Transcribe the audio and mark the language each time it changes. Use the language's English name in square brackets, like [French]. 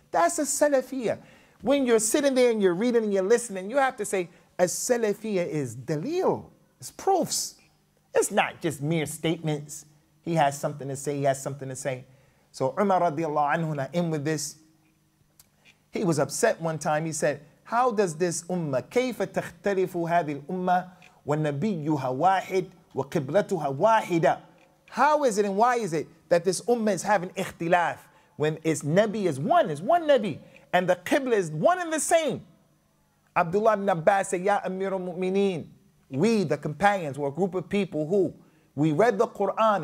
[English] That's a Salafiyah. When you're sitting there and you're reading and you're listening, you have to say, a Salafiyah is dalil, it's proofs. It's not just mere statements. He has something to say, he has something to say. So Umar radiallahu anhu, and I end with this. He was upset one time. He said, how does this ummah, [Arabic] كَيْفَ تَخْتَلِفُ هَذِي الْأُمَّةِ وَالنَّبِيُّهَا وَاحِدٌ وَقِبْلَتُهَا وَاحِدًا. [English] How is it and why is it that this ummah is having ikhtilaf when its Nabi is one, and the Qibla is one and the same? Abdullah ibn Abbas said, Ya Amir al-Mu'mineen, we, the companions, were a group of people who we read the Quran.